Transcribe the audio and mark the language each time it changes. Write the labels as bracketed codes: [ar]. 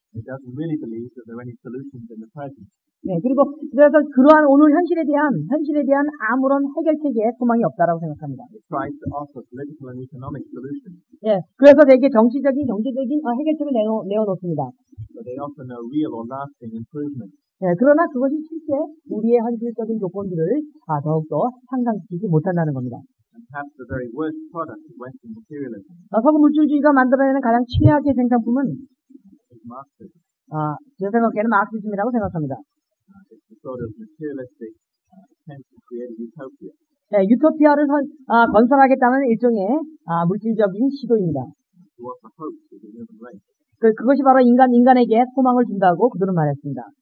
[en] It doesn't really believe that there are any solutions in the present. [ko] 네, 그리고 그래서 그러한 오늘 현실에 대한 아무런 해결책에 소망이 없다라고 생각합니다. [en] It tries to offer political and economic solutions. [ko] 예, 그래서 되게 정치적인 해결책을 내어놓습니다. [en] But they offer no real or lasting improvement. [ko] 예, 그러나 그것이 실제 우리의 현실적인 조건들을 더욱더 향상시키지 못한다는 겁니다. [en] Perhaps the very worst product of Western materialism. [ko] 서구 물질주의가 만들어내는 가장 최악의 생산품은 [en] is Marxism. [ko] 제 생각에는 마크시즘이라고 생각합니다. [en] Sort of materialistic attempt to create a utopia. [ko] 예, 유토피아를 건설하겠다는 일종의 물질적인 시도입니다. [en] To offer hope to the human race. [ko] 그것이 바로 인간에게 소망을 준다고 그들은 말했습니다.